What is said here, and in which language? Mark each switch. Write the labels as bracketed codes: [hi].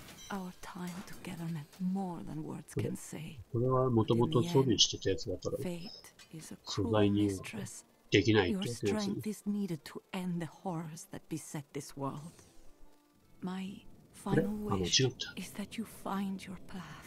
[en] Our time together meant more than words can say. [ja] これはもともと装備してたやつだから、素材にできないってやつ。 [en] Your strength is needed to end the horrors that beset this world. My final wish is that you find your path.